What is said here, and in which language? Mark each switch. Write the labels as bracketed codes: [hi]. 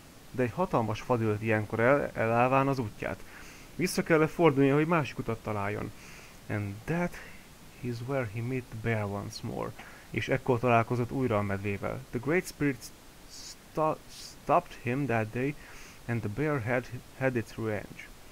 [hu] De egy hatalmas fa dőlt ilyenkor elállván az útját. Vissza kellett fordulnia, hogy másik utat találjon. [en] And that is where he met the bear once more. [hu] És ekkor találkozott újra a medvével. [en] The great spirit stopped him that day, and the bear had its revenge.